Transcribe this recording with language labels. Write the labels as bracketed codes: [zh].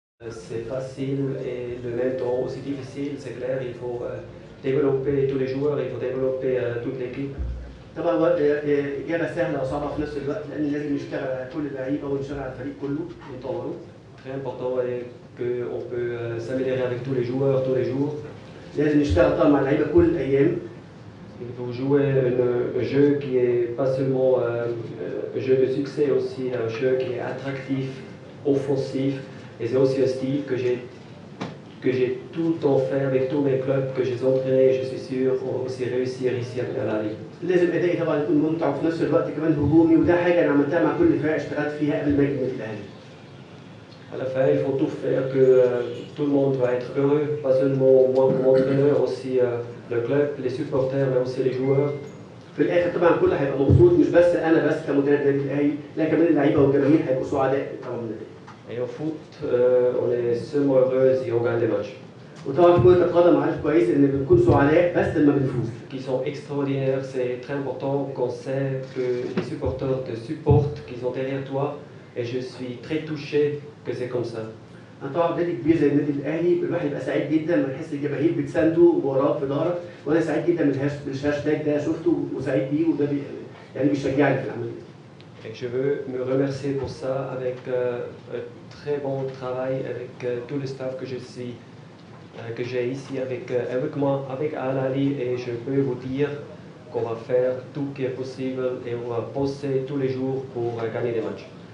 [fr] C'est facile et le même temps aussi difficile, c'est clair, il faut développer tous les joueurs, il faut développer toute l'équipe. [ar] طبعا إجابة سهلة وصعبة في نفس الوقت لأن لازم نشتغل على كل اللعيبة ونشتغل على الفريق كله. نطوره [fr] très important est que on peut s'améliorer avec tous les joueurs tous les jours. [ar] لازم نشتغل طبعا مع اللعيبة كل الأيام. [fr] Il faut jouer le jeu qui est pas seulement un jeu de succès, aussi un jeu qui est attractif, offensif. Et c'est aussi un style que j'ai tout le temps fait avec tous mes clubs que j'ai entraînés. Je suis sûr qu'on va aussi réussir ici à la Ligue. [ar] لازم ادائي طبعا يكون ممتع وفي نفس الوقت كمان هجومي وده حاجه انا عملتها مع كل الفرق اشتغلت فيها قبل ما اجي النادي الاهلي. [fr] À la fin, il faut tout faire que tout le monde va être heureux, pas seulement moi comme entraîneur, aussi le club, les supporters, mais aussi les joueurs. [ar] في الاخر طبعا كله هيبقى مبسوط مش بس انا بس كمدرب النادي الاهلي، لا كمان اللعيبه والجماهير هيبقوا سعداء طبعا من النادي. [fr] Et au foot, on est seulement heureux si on gagne des matchs. [ar] وطبعا كرة القدم عارف كويس ان بنكون سعداء بس لما بنفوز. [fr] Qui sont extraordinaires, c'est très important qu'on sait que les supporters te supportent, qu'ils sont derrière toi. Et je suis très touché que c'est comme ça. [ar] طبعا نادي كبير زي النادي الاهلي الواحد يبقى سعيد جدا لما يحس الجماهير بتسانده ووراه في ظهرك وانا سعيد جدا بالهاشتاج ده شفته وسعيد بيه وده يعني بيشجعني في العمل ده. [fr] Et je veux me remercier pour ça avec un très bon travail avec tout le staff que je suis. Que j'ai ici avec, avec moi, avec Al Ahly, et je peux vous dire qu'on va faire tout ce qui est possible et on va bosser tous les jours pour gagner des matchs.